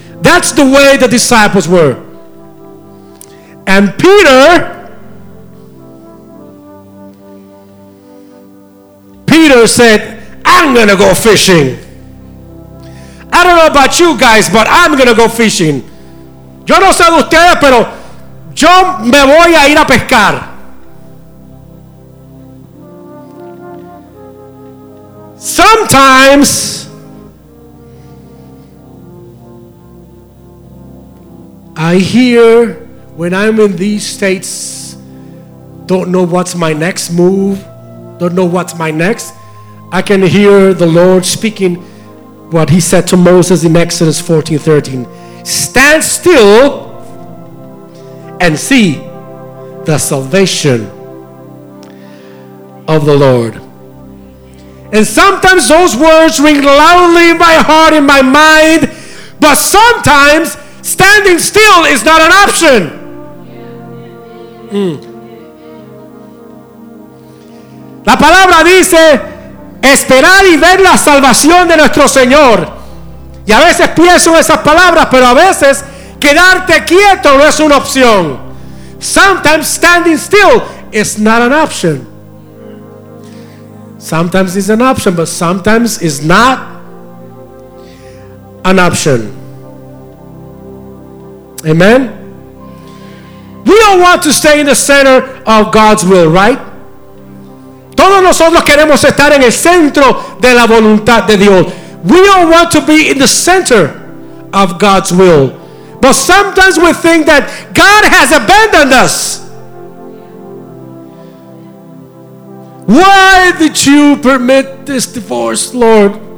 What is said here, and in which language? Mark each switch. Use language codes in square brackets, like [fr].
[en] That's the way the disciples were. And Peter said, I'm going to go fishing. I don't know about you guys, but I'm going to go fishing. [es] Yo no sé de ustedes, pero yo me voy a ir a pescar. [en] Sometimes I hear when I'm in these states, don't know what's my next move, don't know what's my next, I can hear the Lord speaking what he said to Moses in Exodus 14:13. Stand still and see the salvation of the Lord. And sometimes those words ring loudly in my heart, in my mind, but sometimes standing still is not an option. [es] La palabra dice, esperar y ver la salvación de nuestro Señor. Y a veces pienso en esas palabras, pero a veces quedarte quieto no es una opción. [en] Sometimes standing still is not an option. Sometimes it's an option, but sometimes it's not an option. Amen? We don't want to stay in the center of God's will, right? [es] Todos nosotros queremos estar en el centro de la voluntad de Dios. [en] We don't want to be in the center of God's will. But sometimes we think that God has abandoned us. Why did you permit this divorce, Lord?